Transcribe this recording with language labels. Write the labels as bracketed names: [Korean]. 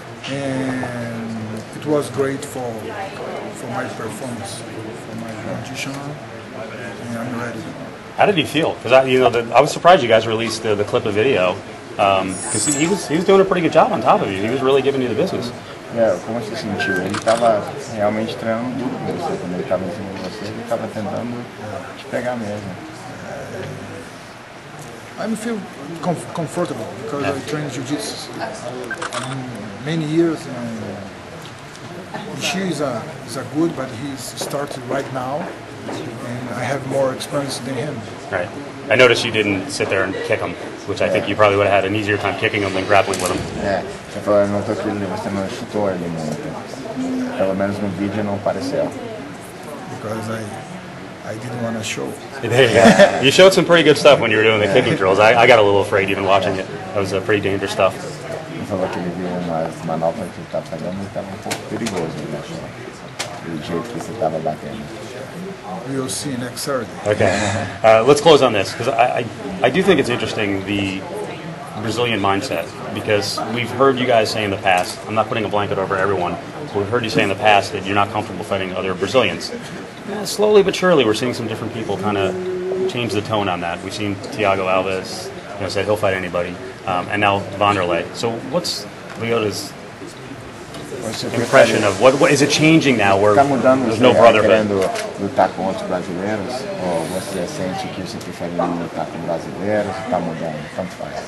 [English] And it was great for my performance, for my conditioning, and I'm ready. How did he feel? Because I was surprised you guys released the clip of video. Because he was doing a pretty good job on top of you. He was really giving you the business. [Portuguese] Eu comecei a sentir, ele estava realmente treinando duro com você, quando ele estava em cima de você, ele estava tentando te pegar mesmo. [English] I feel comfortable because I trained jiu-jitsu many years, and Ishii is a good, but he's started right now, and I have more experience than him. Right. I noticed you didn't sit there and kick him, which I think you probably would have had an easier time kicking him than grappling with him. [Portuguese] Yeah, eu noto que você não chutou ele muito. Pelo menos no vídeo não apareceu. [English] Because I didn't want to show. You showed some pretty good stuff when you were doing the kicking drills. I got a little afraid even watching it. That was pretty dangerous stuff. [Portuguese] Ele falou que ele viu umas manobras que ele estava fazendo e estava um pouco perigoso, ele achou. O jeito que você estava batendo. [English] We'll see you next Saturday. Okay. Let's close on this, because I do think it's interesting, the Brazilian mindset, because we've heard you guys say in the past, I'm not putting a blanket over everyone, but we've heard you say in the past that you're not comfortable fighting other Brazilians. Slowly but surely, we're seeing some different people kind of change the tone on that. We've seen Thiago Alves, you know, said he'll fight anybody, and now Vanderlei. So what's Lyoto's impression of what is it changing now where there's no brotherhood? [Portuguese] Lutar contra os brasileiros, ou você sente que você prefere lutar com brasileiros, está mudando, tanto faz.